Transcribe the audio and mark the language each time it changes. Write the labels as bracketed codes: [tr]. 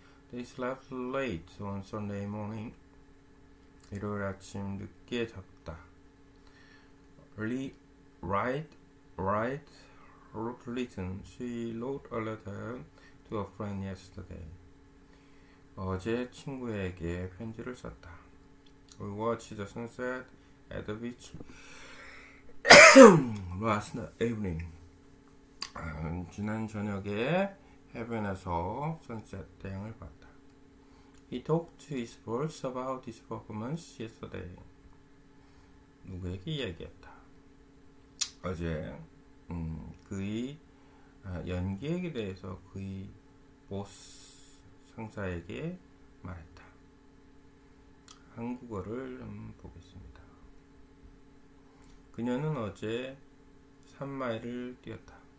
[en] They slept late on Sunday morning. [ko] 일요일 아침 늦게 잤다. [en] Wrote written. She wrote a letter to a friend yesterday. [ko] 어제 친구에게 편지를 썼다. [en] We watched the sunset at the beach last evening. [ko] 지난 저녁에 해변에서 sunset 태양을 봤다. [en] He talked to his boss about his performance yesterday. [ko] 누구에게 이야기했다. 어제 그의 연기에 대해서 그의 보스 상사에게 말했다. 한국어를 좀 보겠습니다. 그녀는 어제 3마일을 뛰었다.